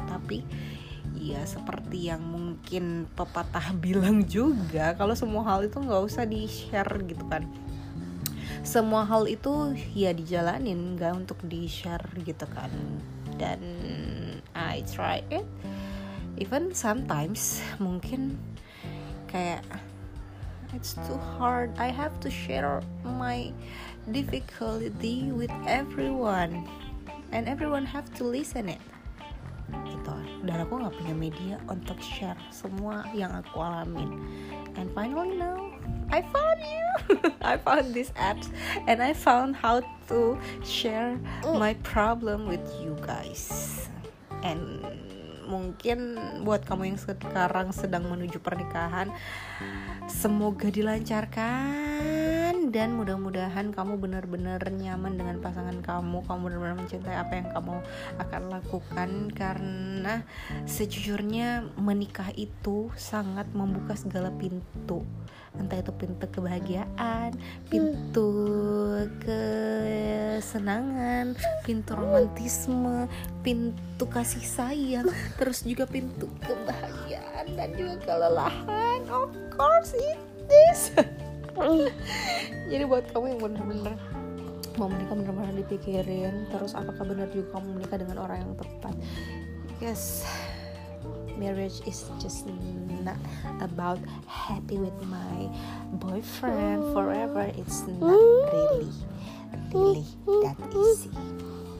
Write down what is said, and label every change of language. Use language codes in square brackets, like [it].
[id] Tapi ya seperti yang mungkin pepatah bilang juga, kalau semua hal itu gak usah di share gitu kan. Semua hal itu ya dijalanin, gak untuk di share gitu kan. Dan [en] I try it. Even sometimes [id] mungkin kayak [en] it's too hard, I have to share my difficulty with everyone and everyone have to listen it. [id] Gitu. Dan aku gak punya media untuk share semua yang aku alamin. [en] And finally now, I found you. I found this app and I found how to share my problem with you guys. And [id] mungkin buat kamu yang sekarang sedang menuju pernikahan, semoga dilancarkan dan mudah-mudahan kamu benar-benar nyaman dengan pasangan kamu. Kamu benar-benar mencintai apa yang kamu akan lakukan. Karena sejujurnya menikah itu sangat membuka segala pintu. Entah itu pintu kebahagiaan, pintu kesenangan, pintu romantisme, pintu kasih sayang, terus juga pintu kebahagiaan dan juga kelelahan. [en] Of course it is. [id] Jadi buat kamu yang benar-benar mau menikah, benar-benar dipikirin. Terus apakah benar juga kamu menikah dengan orang yang tepat? [en] Yes, marriage is just not about happy with my boyfriend forever. It's not really, really that easy.